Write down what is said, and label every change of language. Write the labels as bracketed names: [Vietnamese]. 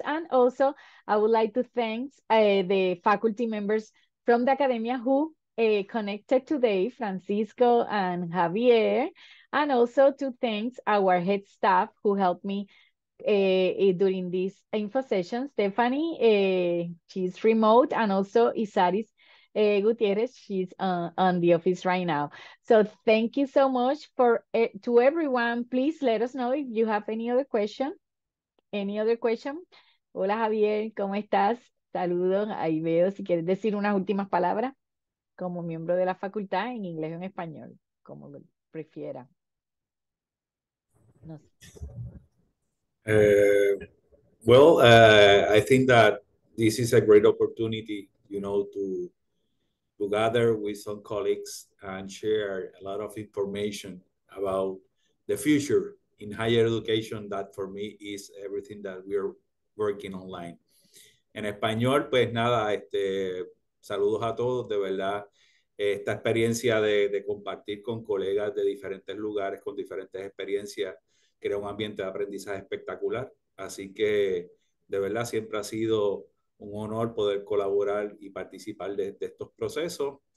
[English] And also, I would like to thank the faculty members from the Academia who connected today, Francisco and Javier, and also to thank our head staff who helped me during these info sessions. Stephanie, she's remote, and also Isaris Gutierrez, she's on the office right now. So thank you so much to everyone. Please let us know if you have any other question. Any other question? [Spanish] Hola, Javier, ¿cómo estás? Saludos, ahí veo, si quieres decir unas últimas palabras. Como miembro de la facultad en inglés o en español, como prefiera. No sé. [English] Well, I think that this is a great opportunity, you know, to gather with some colleagues and share a lot of information about the future in higher education. That for me is everything that we are working online. [Spanish] En español, pues nada, este, saludos a todos, de verdad. Esta experiencia de compartir con colegas de diferentes lugares, con diferentes experiencias, crea un ambiente de aprendizaje espectacular. Así que, de verdad, siempre ha sido un honor poder colaborar y participar de estos procesos.